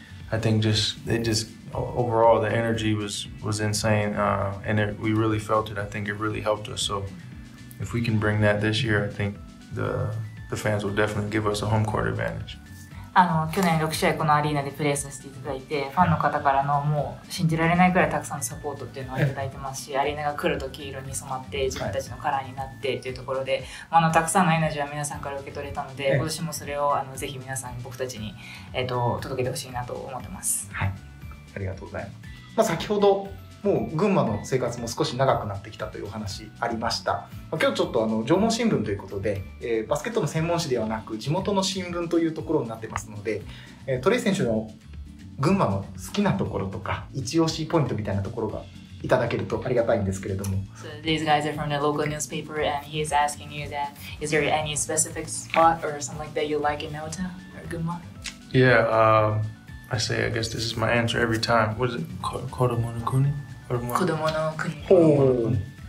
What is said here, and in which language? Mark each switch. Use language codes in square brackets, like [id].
[en] I think just overall the energy was insane, and we really felt it. I think it really helped us. So if we can bring that this year, I think the fans will definitely give us a home court advantage. [ja] 去年6試合このアリーナでプレーさせていただいて、ファンの方からのもう信じられないくらいたくさんのサポートっていうのをいただいてますし、アリーナが黒と黄色に染まって自分たちのカラーになってというところで、たくさんのエナジーは皆さんから受け取れたので、今年もそれをぜひ皆さん、僕たちに、届けてほしいなと思ってます。はい、ありがとうございます。まあ、先ほどもう群馬の生活も少し長くなってきたというお話ありました。今日ちょっと縄文新聞ということで、バスケットの専門誌ではなく地元の新聞というところになってますので、トレイ選手の群馬の好きなところとか一押しポイントみたいなところがいただけるとありがたいんですけれども。 [en] So these guys are from the local newspaper and he is asking you that, is there any specific spot or something that you like in Nota or Gunma? Yeah, I say, I guess this is my answer every time. What is it? [ja] Kodomo no Kuni? Kodomo no Kuni.